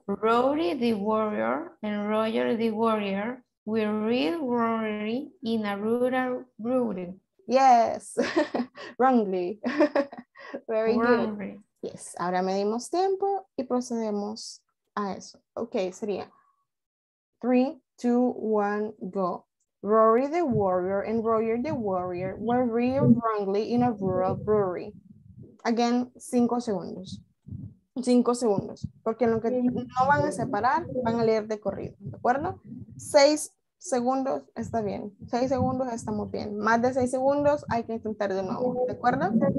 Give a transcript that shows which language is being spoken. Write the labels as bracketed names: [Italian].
[English] Rory the warrior and Roger the warrior will rear wrongly in a rural brewery. Yes, wrongly. Very wrongly. Good. [Spanish] Yes, ahora medimos tiempo y procedemos a eso. Ok, sería 3, 2, 1, go. [English] Rory the warrior and Roger the warrior will rear wrongly in a rural brewery. [Spanish] Again, 5 segundos. 5 segundos, porque en lo que no van a separar, van a leer de corrido, ¿de acuerdo? 6 segundos está bien, 6 segundos estamos bien, más de 6 segundos hay que intentar de nuevo, ¿de acuerdo?